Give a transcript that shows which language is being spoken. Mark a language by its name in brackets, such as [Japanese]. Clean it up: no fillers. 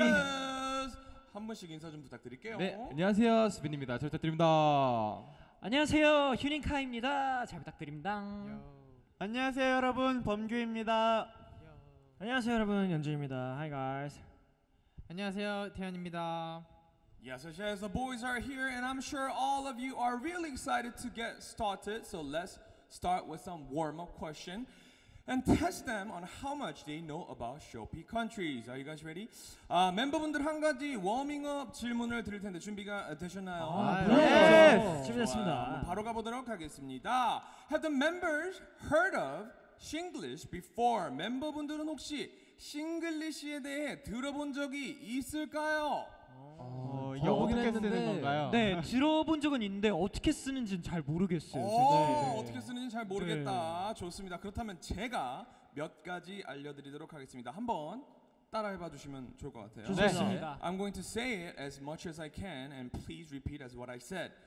[Korean] 한 분씩 인사 좀 부탁드릴게요. 네, 안녕하세요, 수빈입니다. 잘 부탁드립니다. 안녕하세요, 휴닝카입니다. 잘 부탁드립니다. 안녕하세요, 여러분, 범규입니다. 안녕하세요, 여러분, 연주입니다. [English] Hi guys. [Korean] 안녕하세요, 태현입니다. [English] Yes, yes, yes. The boys are here, and I'm sure all of you are really excited to get started. So let's start with some warm-up question and test them on how much they know about Shopee countries. Are you guys ready? [Korean] 아, 멤버분들 한 가지 워밍업 질문을 드릴 텐데 준비가 되셨나요? 네! 준비됐습니다. 바로 가보도록 하겠습니다. [English] Have the members heard of Singlish before? [Korean] 멤버분들은 혹시 싱글리시에 대해 들어본 적이 있을까요? 어떻게 쓰는 건가요? 네, 들어본 적은 있는데 어떻게 쓰는지는 잘 모르겠어요. 어떻게 쓰는지는 잘 모르겠다. 네. 좋습니다. 그렇다면 제가 몇 가지 알려드리도록 하겠습니다. 한번 따라해봐 주시면 좋을 것 같아요. 좋습니다. [English] 네. I'm going to say it as much as I can and please repeat as what I said.